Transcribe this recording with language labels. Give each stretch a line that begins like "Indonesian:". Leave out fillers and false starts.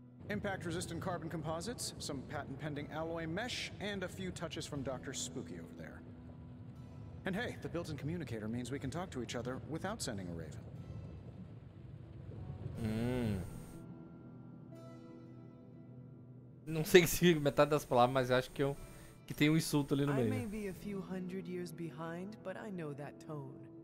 English: Impact resistant carbon composites, some patent pending alloy mesh, and a few touches from Dr. Spooky over there. And hey, the built-in communicator means we can talk to each other without sending a raven.
Portuguese: Não sei se metade das palavras, mas acho que que tem um insulto ali no meio.
English: I may be a few hundred years behind, but I know that tone.